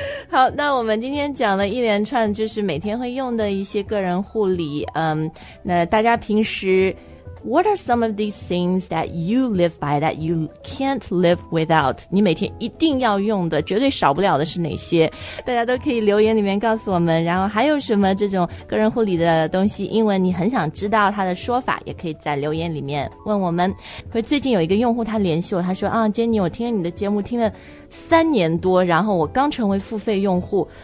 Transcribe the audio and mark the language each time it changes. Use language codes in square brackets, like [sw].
[zh] 好，那我们今天讲了一连串就是每天会用的一些个人护理。那大家平时 [en] What are some of these things that you live by that you can't live without? [zh] 你每天一定要用的，绝对少不了的是哪些？大家都可以留言里面告诉我们。然后还有什么这种个人护理的东西，英文你很想知道它的说法，也可以在留言里面问我们。会最近有一个用户他联系我，他说啊 ，Jenny， 我听了你的节目听了3年多，然后我刚成为付费用户。